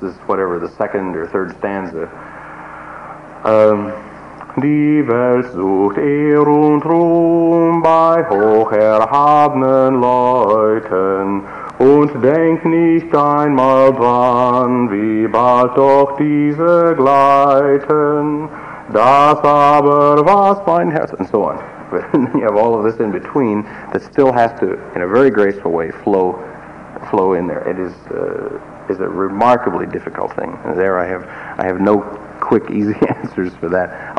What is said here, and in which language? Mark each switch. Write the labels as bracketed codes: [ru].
[en] This is whatever the second or third stanza. [de] Die Welt sucht Ehr und Ruhm bei hocherhabenen Leuten und denk nicht einmal dran, wie bald doch diese gleiten. Das aber was mein Herz, [en] and so on. But then you have all of this in between that still has to, in a very graceful way, flow in there. It is a remarkably difficult thing. And there I have no quick, easy answers for that.